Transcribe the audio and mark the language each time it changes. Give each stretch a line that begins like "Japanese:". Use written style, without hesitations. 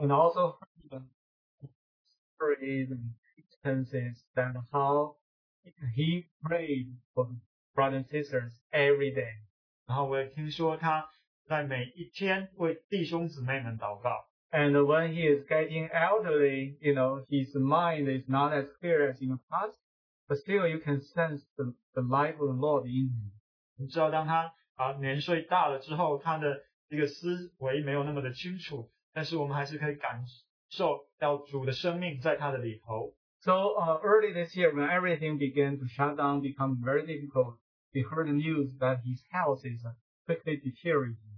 English: And also stories and experiences that how he prayed for brothers and sisters every day.
Chinese: 然后我也听说他在每一天为弟兄姊妹们祷告。
English: And when he is getting elderly, you know, his mind is not as clear as in the past, but still you can sense the life of the Lord in him.
Chinese: 你知道当他年岁大了之后，他的这个思维没有那么的清楚，但是我们还是可以感受到主的生命在他的里头。
English: So early this year, when everything began to shut down, become very difficult, we heard the news that his health is quickly deteriorating.